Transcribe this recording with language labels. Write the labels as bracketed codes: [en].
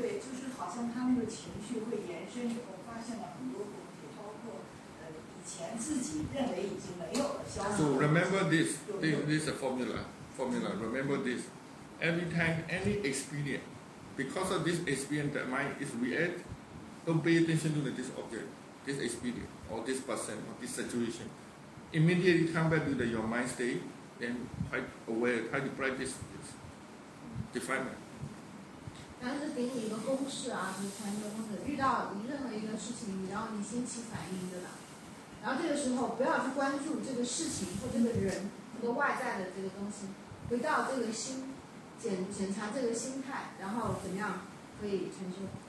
[zh] 对，就是好像他那个情绪会延伸，我发现了很多问题，包括以前自己认为已经没有了消息。 [en] So remember this, this is a formula. Remember this, every time any experience, because of this experience that mind is react, don't pay attention to this object, this experience, or this person, or this situation. Immediately come back to your mind state, then try to aware, try to practice this defilement. [zh] 然后就给你一个公式啊，就是禅修公式，遇到你任何一个事情，然后你先起反应，对吧？然后这个时候不要去关注这个事情或这个人、这个外在的这个东西，回到这个心，检查这个心态，然后怎么样可以禅修？